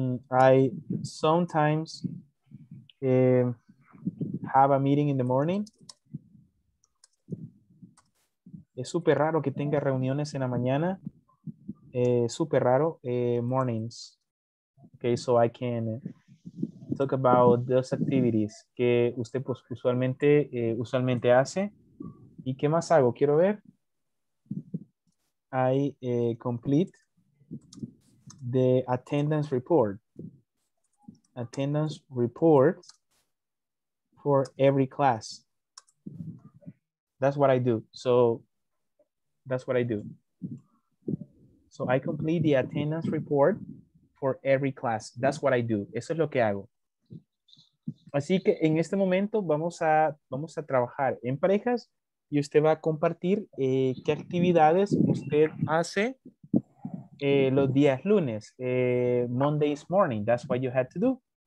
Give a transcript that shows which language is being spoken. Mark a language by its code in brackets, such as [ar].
[en] I sometimes have a meeting in the morning. [es] Es súper raro que tenga reuniones en la mañana. Súper raro. [en] Mornings. Okay, so I can talk about those activities [es] que usted pues, usualmente hace. ¿Y qué más hago? Quiero ver. [en] I complete the attendance report. Attendance report for every class. That's what I do. So... that's what I do. So I complete the attendance report for every class. That's what I do. [es] Eso es lo que hago. Así que en este momento vamos a trabajar en parejas y usted va a compartir qué actividades usted hace los días lunes. [en] Monday's morning, that's what you had to do.